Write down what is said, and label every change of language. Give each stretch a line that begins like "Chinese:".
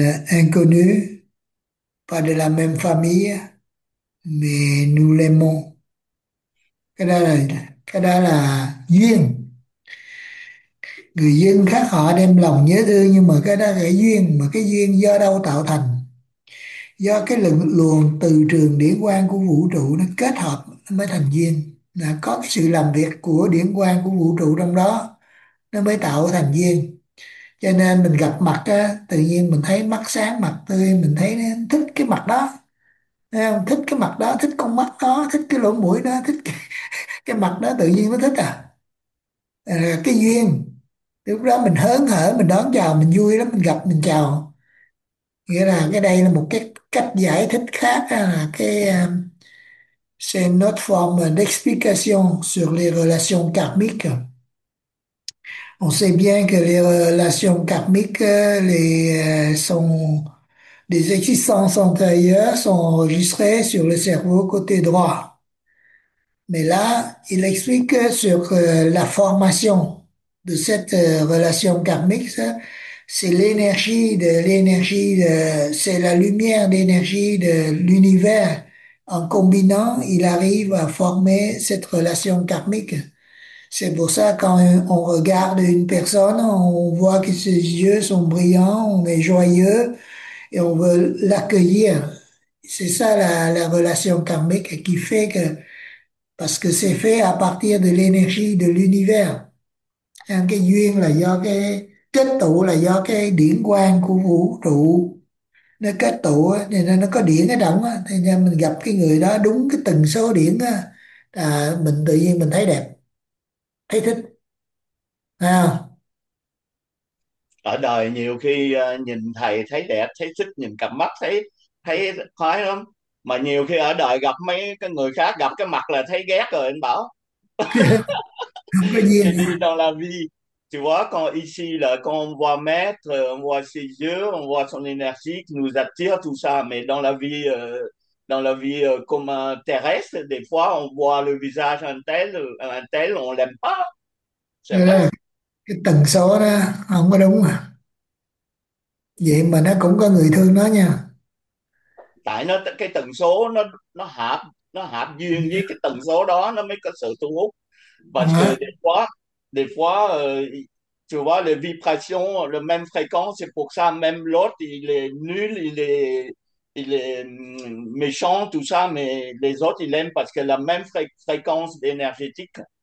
French: inconnu, pas de la même famille, mais nous l'aimons.
Vietnamese: Cái đó là duyên. Người dân khác họ đem lòng nhớ thương, nhưng mà cái đó là duyên, mà cái duyên do đâu tạo thành? Do cái luồng từ trường điển quang của vũ trụ nó kết hợp mới thành duyên, là có cái sự làm việc của điển quang của vũ trụ trong đó nó mới tạo thành duyên. Cho nên mình gặp mặt á, tự nhiên mình thấy mắt sáng, mặt tươi, mình thấy thích cái mặt đó. Thấy không? Thích cái mặt đó, thích con mắt đó, thích cái lỗ mũi đó, thích cái mặt đó, tự nhiên nó thích à. À, cái duyên. Lúc đó mình hớn hở, mình đón chào, mình vui lắm, mình gặp, mình chào. Nghĩa là cái đây là một cái cách giải thích khác á, là cái
French: c'est notre forme d'explication sur les relations karmiques. On sait bien que les relations karmiques, sont des existences antérieures, sont enregistrées sur le cerveau côté droit. Mais là, il explique sur la formation de cette relation karmique, c'est c'est la lumière d'énergie de l'univers. En combinant, il arrive à former cette relation karmique. C'est pour ça, quand on regarde une personne, on voit que ses yeux sont brillants, on est joyeux et on veut l'accueillir. C'est ça la relation karmique qui fait que, parce que c'est fait à partir de l'énergie de l'univers.
Vietnamese: Cái duyên là do cái kết tụ, là do cái điển quang của vũ trụ nó kết tụ, nên nó có điển cái động, thì nên mình gặp cái người đó đúng cái tần số điển là mình tự nhiên mình thấy đẹp, thấy thích. À, Ở đời nhiều khi nhìn thầy thấy đẹp, thấy thích, nhìn cặp mắt thấy thấy khoái lắm, mà nhiều khi ở đời gặp mấy cái người khác gặp cái mặt là thấy ghét rồi. Anh bảo không chỉ đi có
French: dans la
Vietnamese: duyên.
French: vie, tu vois, quand ici là quand on voit maître, on voit ses yeux, on voit son énergie qui nous attire, tout ça, mais dans la vie comme terrestre, des fois on voit le visage un tel on l'aime pas, c'est vrai.
Vietnamese: Cái tần số đó không có đúng à, vậy mà nó cũng có người thương nó nha. Tại nó cái tần số nó hợp duyên với cái tần số đó nó mới có sự thu hút.
French: Parce que des fois tu vois les vibrations le même fréquence, c'est pour ça même l'autre il est nul, il est méchant tout ça, mais les autres ils l'aiment parce que la même fréquence énergétique.